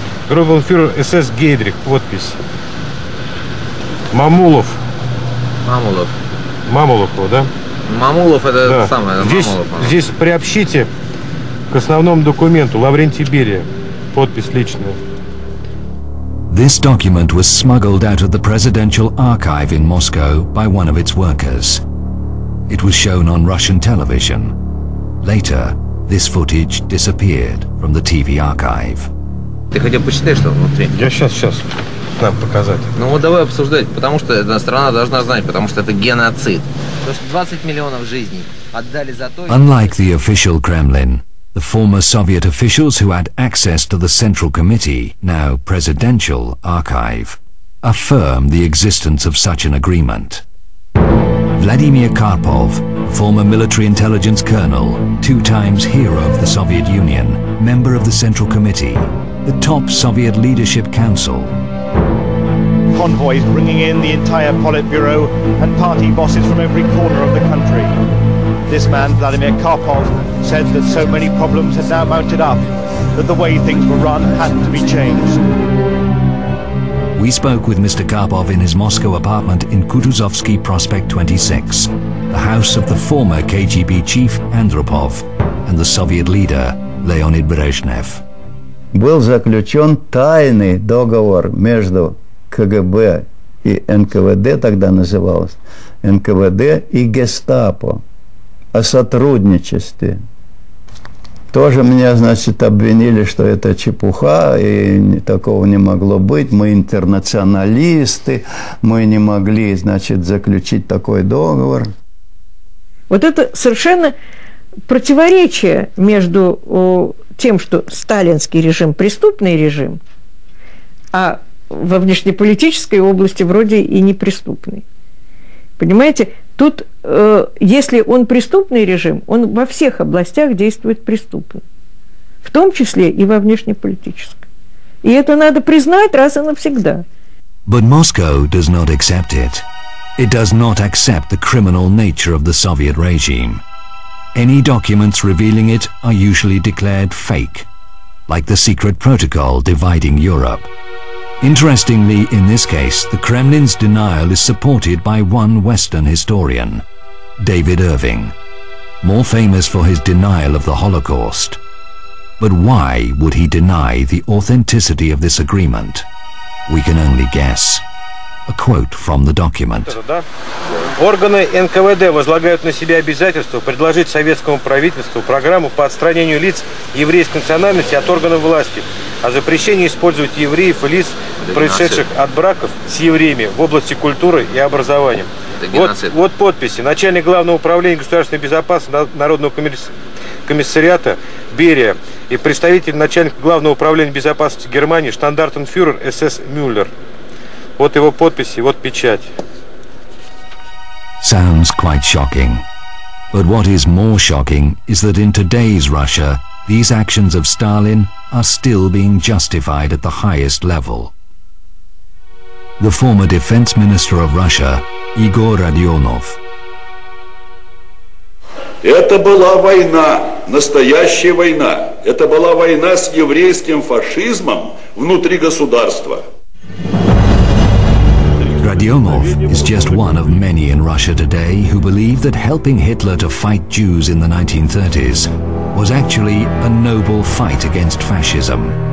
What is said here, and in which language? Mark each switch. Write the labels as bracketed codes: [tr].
[ru] Группенфюрер СС Гейдрих, подпись. Мамулов. Мамулов. Мамулов, да? Мамулов это да. Самое, здесь, Мамулов. Здесь приобщите к основному документу Лаврентий Берия. Подпись личная. [en] This document was smuggled out of the presidential archive in Moscow by one of its workers. It was shown on Russian television. Later, this footage disappeared from the TV archive. [ru] Ты хотя бы почитай, что внутри. Я сейчас. Нам показать. Ну вот давай обсуждать, потому что эта страна должна знать, потому что это геноцид. То, что 20 миллионов жизней отдали за то... [en] Unlike the official Kremlin, the former Soviet officials who had access to the Central Committee, now presidential archive, affirm the existence of such an agreement. Vladimir Karpov, former military intelligence colonel, two times hero of the Soviet Union, member of the Central Committee, the top Soviet leadership council, convoys bringing in the entire Politburo and party bosses from every corner of the country. This man, Vladimir Karpov, said that so many problems had now mounted up that the way things were run had to be changed. We spoke with Mr. Karpov in his Moscow apartment in Kutuzovsky Prospect 26, the house of the former KGB chief Andropov and the Soviet leader Leonid Brezhnev. [ru] Был заключен тайный договор между КГБ и НКВД, тогда называлось НКВД и Гестапо, о сотрудничестве. Тоже меня, значит, обвинили, что это чепуха, и такого не могло быть. Мы интернационалисты, мы не могли, значит, заключить такой договор. Вот это совершенно противоречие между тем, что сталинский режим – преступный режим, а во внешнеполитической области вроде и неприступный. Понимаете, тут, если он преступный режим, он во всех областях действует преступно, в том числе и во внешнеполитической. И это надо признать раз и навсегда. [en] But Moscow does not accept it. It does not accept the criminal nature of the Soviet regime. Any documents revealing it are usually declared fake, like the secret protocol dividing Europe. Interestingly, in this case, the Kremlin's denial is supported by one Western historian, David Irving, more famous for his denial of the Holocaust. But why would he deny the authenticity of this agreement? We can only guess. A quote from the document. [ru] Органы НКВД возлагают на себя обязательство предложить советскому правительству программу по отстранению лиц еврейской национальности от органов власти, о запрещении использовать евреев и лиц, происшедших от браков с евреями в области культуры и образования. Вот, вот подписи. Начальник главного управления государственной безопасности Народного комиссариата Берия и представитель начальника главного управления безопасности Германии штандартенфюрер СС Мюллер. Вот его подписи, вот печать. [en] Sounds quite shocking. But what is more shocking is that in today's Russia, these actions of Stalin are still being justified at the highest level. The former defense minister of Russia, Igor Radionov. [ru] Это была война, настоящая война. Это была война с еврейским фашизмом внутри государства. [en] Radionov is just one of many in Russia today who believe that helping Hitler to fight Jews in the 1930s was actually a noble fight against fascism.